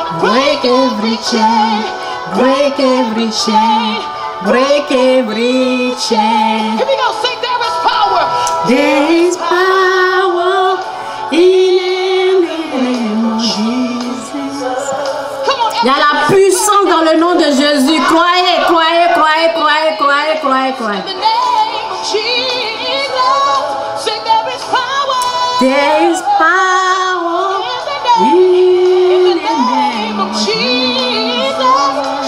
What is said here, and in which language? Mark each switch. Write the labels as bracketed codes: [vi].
[en] Break every chain. Break every chain. Break every chain. Here we go, say there is power. There is power in the name of Jesus. Come on, [fr] il y a la puissance dans le nom de Jésus. Croyez, croyez, croyez, croyez, croyez, croyez, croyez. [en] In the name of Jesus, say there is power. There is power in the name of Jesus.